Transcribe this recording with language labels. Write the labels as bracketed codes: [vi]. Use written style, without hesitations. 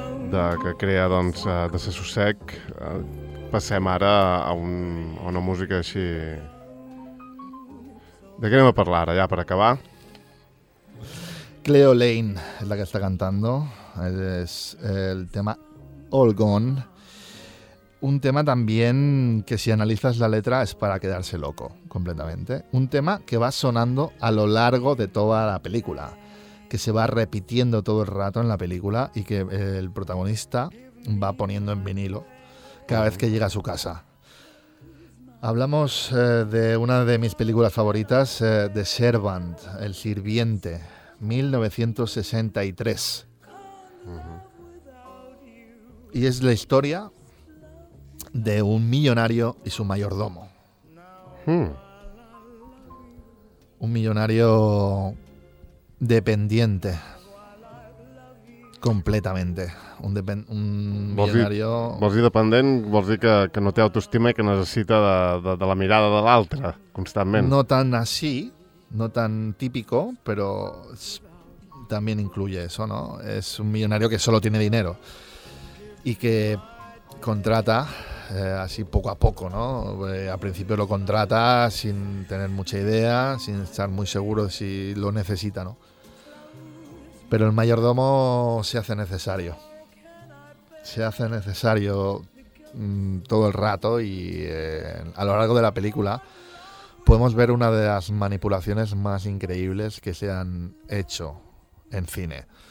[ca] De, que crea, doncs, de ser sossec. Passem ara a una música així... De què anem a parlar ara, ja, per acabar? Cleo Lane és la que està [es] cantando. [ca] És el tema All Gone. [es] Un tema también que si analizas la letra es para quedarse loco completamente. Un tema que va sonando a lo largo de toda la película, que se va repitiendo todo el rato en la película y que el protagonista va poniendo en vinilo cada vez que llega a su casa. Hablamos de una de mis películas favoritas, The Servant, El Sirviente, 1963. Uh-huh. Y es la historia... de un millonario y su mayordomo. Hmm. Un millonario dependiente. Completamente. Un millonario... [ca] Vols dir dependent, vols dir que no té autoestima i que necessita de la mirada de l'altre, constantment. No tan així, [es] no tan típico, [ca] però també [es] incluye eso, ¿no? És un millonario que solo tiene dinero y que contrata... así poco a poco, ¿no? Al principio lo contrata sin tener mucha idea, sin estar muy seguro de si lo necesita, ¿no? Pero el mayordomo se hace necesario. Se hace necesario todo el rato y a lo largo de la película podemos ver una de las manipulaciones más increíbles que se han hecho en cine.